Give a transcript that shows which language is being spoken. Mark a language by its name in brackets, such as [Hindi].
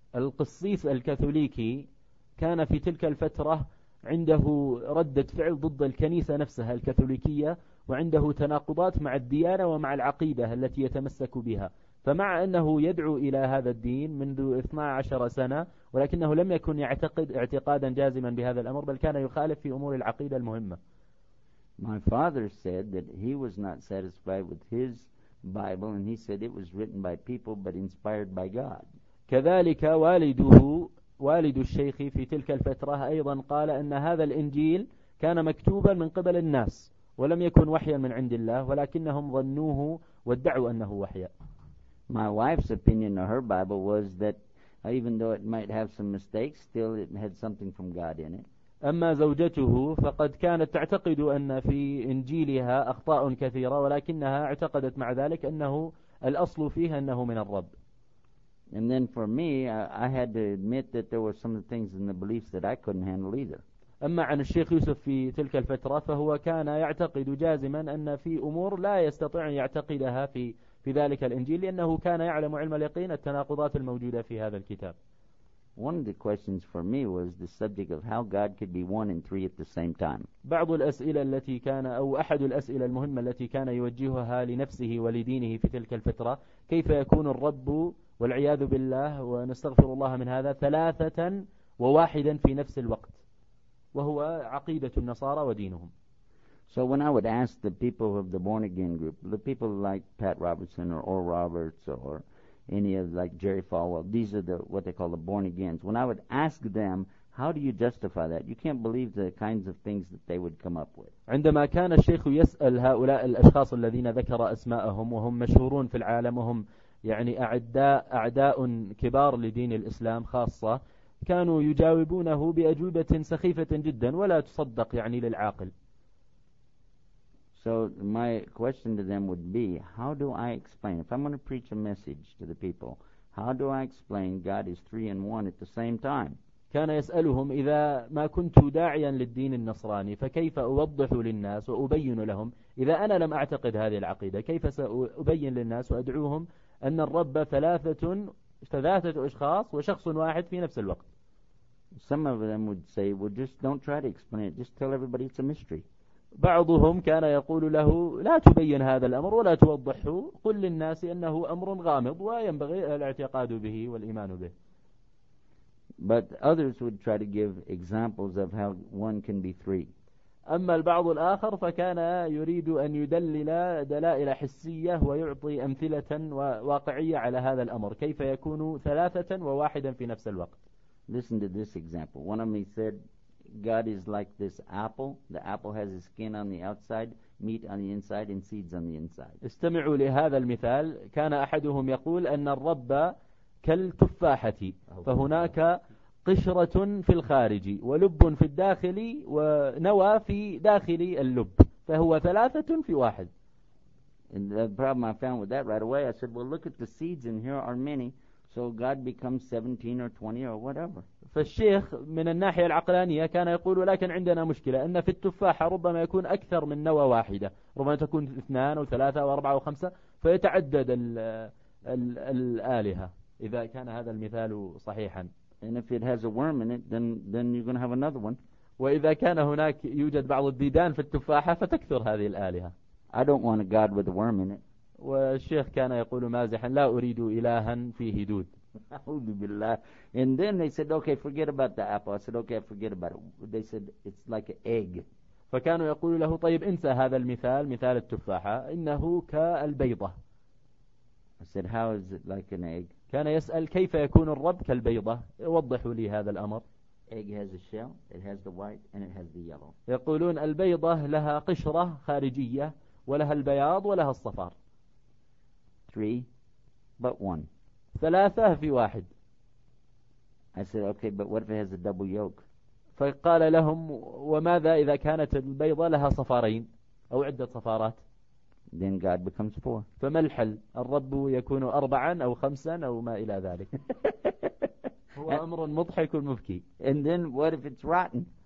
[Arabic] القسيس الكاثوليكي كان في تلك الفترة عنده ردة فعل ضد الكنيسة نفسها الكاثوليكية وعنده تناقضات مع الديانة ومع العقيدة التي يتمسك بها. فمع أنه يدعو إلى هذا الدين منذ 12 سنة ولكنه لم يكن يعتقد اعتقادا جازما بهذا الأمر بل كان يخالف في أمور العقيدة المهمة. [English] My father said that he was not satisfied with his Bible and he said it was written by people but inspired by God. [Arabic] كذلك والد الشيخ في تلك الفترة أيضا قال أن هذا الإنجيل كان مكتوبا من قبل الناس ولم يكن وحيا من عند الله ولكنهم ظنوه وادعوا أنه وحيا. [English] My wife's opinion of her Bible was that even though it might have some mistakes, still it had something from God in it. [Arabic] أما زوجته فقد كانت تعتقد أن في إنجيلها أخطاء كثيرة ولكنها اعتقدت مع ذلك أنه الأصل فيها أنه من الرب. [English] And then for me, I had to admit that there were some of the things in the beliefs that I couldn't handle either. [Arabic] أما عن الشيخ يوسف في تلك الفترة فهو كان يعتقد جازما أن في أمور لا يستطيع أن يعتقدها في ذلك الإنجيل لأنه كان يعلم علم اليقين التناقضات الموجودة في هذا الكتاب. [English] One of the questions for me was the subject of how God could be one and three at the same time. [Arabic] بعض الأسئلة التي كان أو أحد الأسئلة المهمة التي كان يوجهها لنفسه ولدينه في تلك الفترة كيف يكون الرب والعياذ بالله ونستغفر الله من هذا ثلاثة وواحدا في نفس الوقت وهو عقيدة النصارى ودينهم. [English] So when I would ask the people of the born again group, the people like Pat Robertson or Oral Roberts or any of like Jerry Falwell, these are the what they call the born agains. When I would ask them, how do you justify that? You can't believe the kinds of things that they would come up with. [Arabic] عندما كان الشيخ يسأل هؤلاء الأشخاص الذين ذكر أسماءهم وهم مشهورون في العالم وهم يعني أعداء كبار لدين الإسلام خاصة كانوا يجاوبونه بأجوبة سخيفة جدا ولا تصدق يعني للعاقل. [English] So my question to them would be, how do I explain, if I'm going to preach a message to the people, how do I explain God is three and one at the same time? [Arabic] كان يسألهم إذا ما كنت داعيا للدين النصراني فكيف أوضح للناس وأبين لهم إذا أنا لم أعتقد هذه العقيدة كيف سأبين للناس وأدعوهم أن الرب ثلاثة أشخاص وشخص واحد في نفس الوقت. [English] Some of them would say, well, just don't try to explain it. Just tell everybody it's a mystery. [Arabic] بعضهم كان يقول له لا تبين هذا الأمر ولا توضحه قل للناس أنه أمر غامض وينبغي الاعتقاد به والإيمان به. [English] But others would try to give examples of how one can be three. [Arabic] أما البعض الآخر فكان يريد أن يدلل دلائل حسية ويعطي أمثلة واقعية على هذا الأمر كيف يكون ثلاثة وواحدا في نفس الوقت. [English] Listen to this example. One of them said God is like this apple. The apple has a skin on the outside, meat on the inside, and seeds on the inside. [Arabic] استمعوا لهذا المثال. كان أحدهم يقول أن الرب كالتفاحة. فهناك قشرة في الخارج ولب في الداخل ونوى في داخل اللب. فهو ثلاثة في واحد. [English] And the problem I found with that right away, I said, well, look at the seeds, and here are many. So God becomes 17 or 20 or whatever. [Arabic] فالشيخ من الناحية العقلانية كان يقول ولكن عندنا مشكلة أن في التفاحة ربما يكون أكثر من نوى واحدة ربما تكون اثنان وثلاثة واربعة وخمسة فيتعدد الآلهة. إذا كان هذا المثال صحيحا. [English] And if it has a worm in it, then you're going to have another one. [Arabic] وإذا كان هناك يوجد بعض الديدان في التفاحة فتكثر هذه الآلهة. [English] I don't want a god with a worm in it. [Arabic] والشيخ كان يقول مازحا لا أريد إلها فيه دود. أعوذ بالله. [English] And then they said, okay, forget about the apple. I said, okay, forget about it. They said, it's like an egg. [Arabic] فكانوا يقول له طيب انسى هذا المثال مثال التفاحة إنه كالبيضة. [English] I said, how is it like an egg? [Arabic] كان يسأل كيف يكون الرب كالبيضة؟ وضحوا لي هذا الأمر. [English] Egg has a shell, it has the white and it has the yellow. [Arabic] يقولون البيضة لها قشرة خارجية ولها البياض ولها الصفار. [English] Three, but one. [Arabic] ثلاثة في واحد. [English] I said, okay, but what if it has a double yolk? [Arabic] فقال لهم وماذا إذا كانت البيضة لها صفارين أو عدة صفارات؟ [English] Then God becomes four. [Arabic] فما الحل؟ الرب يكون أربعا أو خمسا أو ما إلى ذلك. هو أمر مضحك ومبكي. [English] And then what if it's rotten?